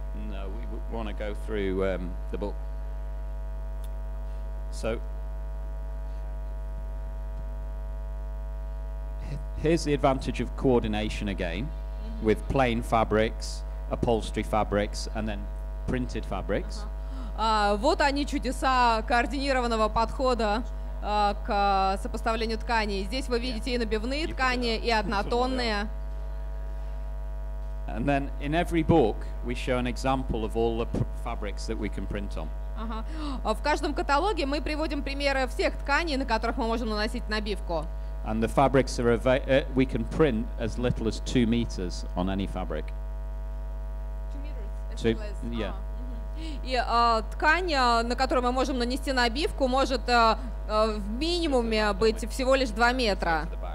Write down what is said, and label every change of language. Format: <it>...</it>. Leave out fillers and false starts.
<en>No, we want to go through the book. So, here's the advantage of coordination again, with plain fabrics, upholstery fabrics, and then printed fabrics.</en> <ru>Вот они чудеса координированного подхода к сопоставлению тканей. Здесь вы видите и набивные ткани, и однотонные.</ru> <en>And then in every book we show an example of all the fabrics that we can print on.</en> <ru>Ага. В каждом каталоге мы приводим примеры всех тканей, на которых мы можем наносить набивку.</ru> <en>And the fabrics are we can print as little as 2 meters on any fabric. 2 meters. Yeah.</en> <ru>И ткань, на которую мы можем нанести набивку, может в минимуме быть всего лишь 2 метра.</ru>